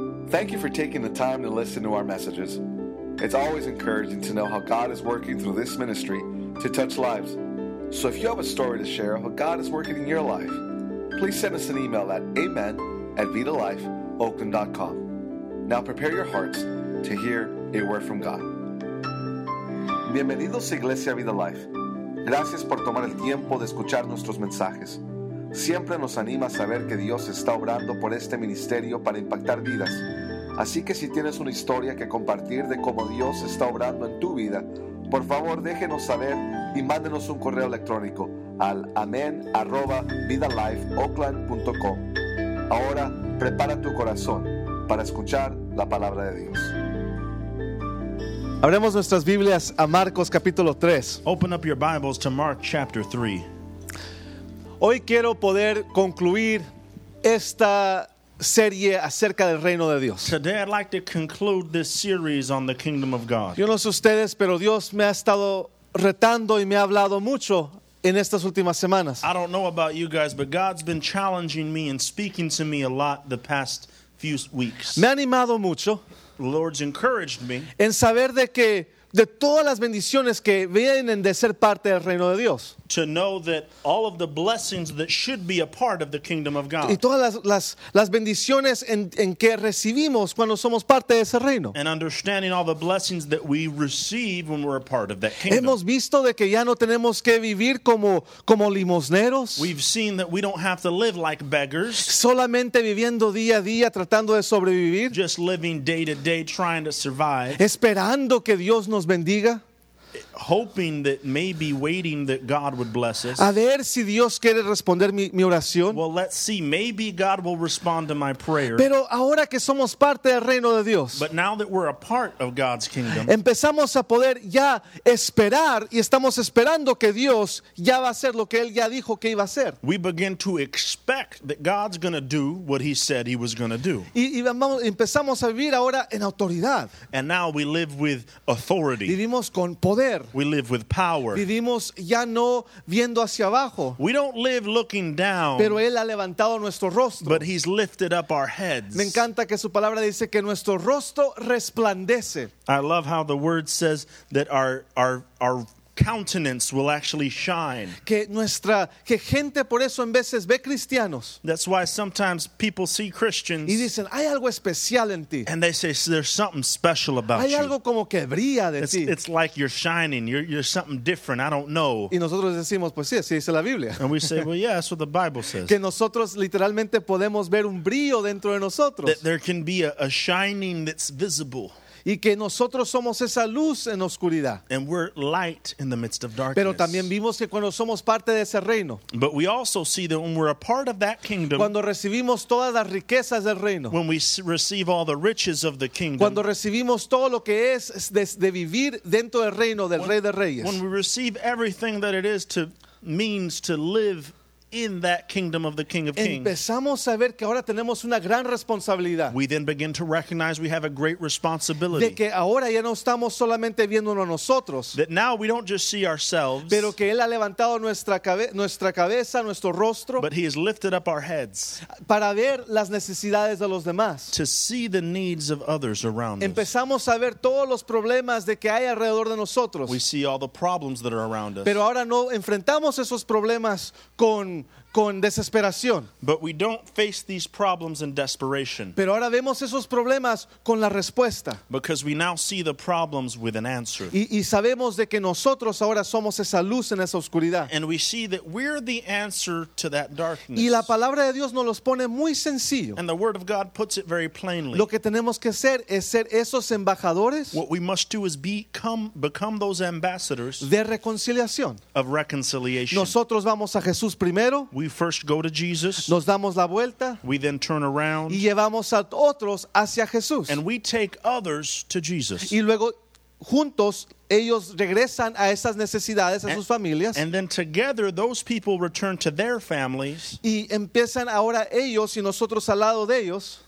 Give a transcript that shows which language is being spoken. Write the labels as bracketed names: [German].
[English] Thank you for taking the time to listen to our messages. It's always encouraging to know how God is working through this ministry to touch lives. So if you have a story to share of how God is working in your life, please send us an email at amen@vitalifeoakland.com. Now prepare your hearts to hear a word from God. [Spanish] Bienvenidos a Iglesia Vida Life. Gracias por tomar el tiempo de escuchar nuestros mensajes. Siempre nos anima a saber que Dios está obrando por este ministerio para impactar vidas. Así que si tienes una historia que compartir de cómo Dios está obrando en tu vida, por favor déjenos saber y mándenos un correo electrónico al amen@vidalifeoakland.com. Ahora prepara tu corazón para escuchar la palabra de Dios. Abremos nuestras Biblias a Marcos capítulo 3. [English] Open up your Bibles to Mark chapter 3. [Spanish] Hoy quiero poder concluir esta serie acerca del reino de Dios. [English] Today I'd like to conclude this series on the kingdom of God. [Spanish] Yo no sé ustedes, pero Dios me ha estado retando y me ha hablado mucho en estas últimas semanas. [English] I don't know about you guys, but God's been challenging me and speaking to me a lot the past few weeks. [Spanish] Me ha animado mucho. [English] The Lord's encouraged me. [Spanish] En saber de que de todas las bendiciones que vienen de ser parte del reino de Dios. [English] To know that all of the blessings that should be a part of the kingdom of God. [Spanish] Y todas las bendiciones en que recibimos cuando somos parte de ese reino. [English] And understanding all the blessings that we receive when we're a part of that kingdom. [Spanish] Hemos visto de que ya no tenemos que vivir como limosneros. [English] We've seen that we don't have to live like beggars. [Spanish] Solamente viviendo día a día tratando de sobrevivir. [English] Just living day to day trying to survive. [Spanish] Esperando que Dios nos bendiga. [English] Hoping that maybe waiting that God would bless us. [Spanish] A ver si Dios quiere responder mi oración. [English] Well, let's see. Maybe God will respond to my prayer. [Spanish] Pero ahora que somos parte del reino de Dios. [English] But now that we're a part of God's kingdom. [Spanish] Empezamos a poder ya esperar y estamos esperando que Dios ya va a hacer lo que Él ya dijo que iba a hacer. [English] We begin to expect that God's going to do what He said He was going to do. [Spanish] Y vamos, empezamos a vivir ahora en autoridad. [English] And now we live with authority. [Spanish] Vivimos con poder. [English] We live with power. [Spanish] Vivimos ya no viendo hacia abajo. [English] We don't live looking down. [Spanish] Pero Él ha levantado nuestro rostro. [English] But He's lifted up our heads. [Spanish] Me encanta que su palabra dice que nuestro rostro resplandece. [English] I love how the word says that our countenance will actually shine. [Spanish] Que gente por eso en veces ve cristianos. [English] That's why sometimes people see Christians. [Spanish] Y dicen, hay algo especial en ti. [English] And they say, there's something special about [Spanish] hay [English] you. [Spanish] Algo como que brilla de [English] it's, [Spanish] ti. [English] It's like you're shining. You're something different. I don't know. [Spanish] Y nosotros decimos, pues sí, así dice la Biblia. [English] And we say, well, yeah, that's what the Bible says. [Spanish] Que nosotros literalmente podemos ver un brillo dentro de nosotros. [English] That there can be a shining that's visible. [Spanish] Y que nosotros somos esa luz en oscuridad. [English] And we're light in the midst of darkness. [Spanish] Pero también vimos que cuando somos parte de ese reino. [English] But we also see that when we're a part of that kingdom. [Spanish] Cuando recibimos todas las riquezas del reino. [English] When we receive all the riches of the kingdom. [Spanish] Cuando recibimos todo lo que es de vivir dentro del reino del Rey de Reyes. [English] When we receive everything that it is to means to live in that kingdom of the King of Kings. [Spanish] Empezamos a ver que ahora tenemos una gran responsabilidad. [English] We then begin to recognize we have a great responsibility. [Spanish] De que ahora ya no estamos solamente viéndonos nosotros. [English] That now we don't just see ourselves. [Spanish] Pero que Él ha levantado nuestra cabeza, nuestro rostro. [English] But He has lifted up our heads. [Spanish] Para ver las necesidades de los demás. [English] To see the needs of others around us. [Spanish] Empezamos a ver todos los problemas de que hay alrededor de nosotros. [English] We see all the problems that are around us. [Spanish] Pero ahora no enfrentamos esos problemas con desesperación. [English] But we don't face these problems in desperation. [Spanish] Pero ahora vemos esos problemas con la respuesta. [English] Because we now see the problems with an answer. [Spanish] Y sabemos de que nosotros ahora somos esa luz en esa oscuridad. [English] And we see that we're the answer to that darkness. [Spanish] Y la palabra de Dios nos los pone muy sencillo. [English] And the word of God puts it very plainly. [Spanish] Lo que tenemos que hacer es ser esos embajadores. [English] What we must do is become those ambassadors. [Spanish] De reconciliación. [English] Of reconciliation. [Spanish] Nosotros vamos a Jesús primero. [English] We first go to Jesus. [Spanish] Nos damos la vuelta. [English] We then turn around. [Spanish] Y llevamos a otros hacia Jesús. [English] And we take others to Jesus. [Spanish] Y luego juntos ellos regresan a esas necesidades, a sus familias. [English] And then together those people return to their families. [Spanish] Y empiezan ahora ellos y nosotros al lado de ellos.